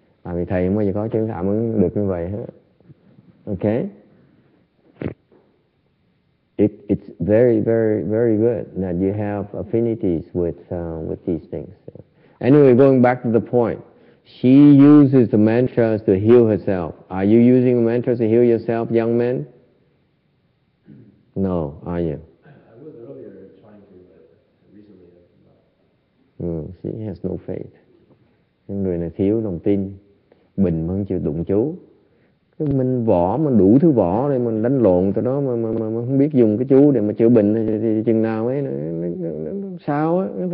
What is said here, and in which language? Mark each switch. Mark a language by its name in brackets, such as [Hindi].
[Vietnamese] Tại vì thầy không bao giờ có chứng cảm ứng được như vậy hết. [English] Okay? It's very, very, very good that you have affinities with these things. Anyway, going back to the point. She uses the mantras to heal herself. Are you using the mantras to heal yourself, young man? No, are you? I was earlier trying to, but recently I've not. She has no faith. [Vietnamese] Người này thiếu lòng tin. Mình không chịu đụng chú. Mình võ, mình đủ thứ võ để mình đánh lộn tụi đó mà không biết dùng cái chú để mà chữa bệnh thì chừng nào ấy sao á.